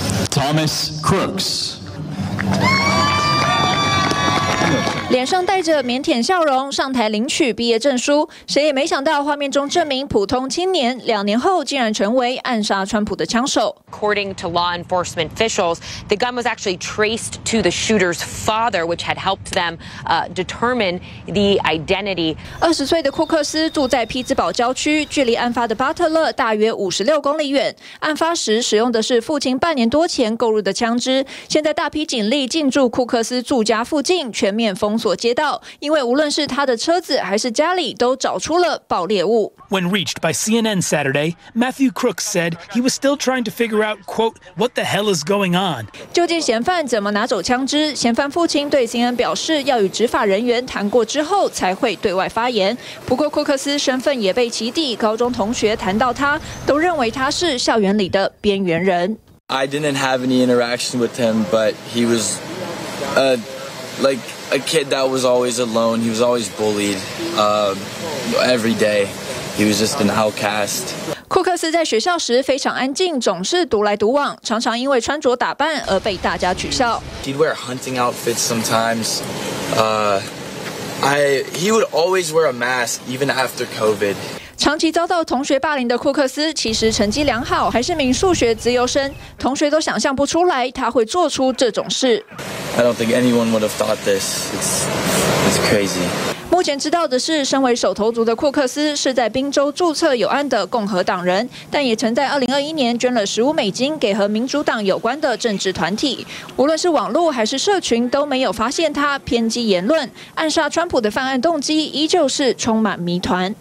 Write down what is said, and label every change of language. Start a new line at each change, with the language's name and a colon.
English: Thomas Crooks。
Chinese: 脸上带着腼腆笑容上台领取毕业证书，谁也没想到画面中这名普通青年两年后竟然成为暗杀川普的枪手。
English: According to law enforcement officials, the gun was actually traced to the shooter's father, which had helped them determine the identity.
Chinese: 20岁的库克斯住在匹兹堡郊区，距离案发的巴特勒大约56公里远。案发时使用的是父亲半年多前购入的枪支。现在大批警力进驻库克斯住家附近，全面封锁街道，因为无论是他的车子还是家里都找出了爆裂物。
English: When reached by CNN Saturday, Matthew Crooks said he was still trying to figure out, quote, what the hell is going on?
Chinese: 究竟嫌犯怎么拿走枪支？嫌犯父亲对 CNN 表示，要与执法人员谈过之后才会对外发言。不过库克斯身份也被其弟高中同学谈到他，都认为他是校园里的边缘人。
English: I didn't have any interaction with him, but he was, a kid that was always alone. He was always bullied, every day. He was just an outcast.
Chinese: 库克斯在学校时非常安静，总是独来独往，常常因为穿着打扮而被大家取笑。
English: He'd wear hunting outfits sometimes. He would always wear a mask even after COVID.
Chinese: 长期遭到同学霸凌的库克斯其实成绩良好，还是名数学自由生，同学都想象不出来他会做出这种事。
English: I don't think anyone would have thought this. It's crazy.
Chinese: 目前知道的是，身为手头族的库克斯是在宾州注册有案的共和党人，但也曾在2021年捐了$15给和民主党有关的政治团体。无论是网络还是社群都没有发现他偏激言论，暗杀川普的犯案动机依旧是充满谜团。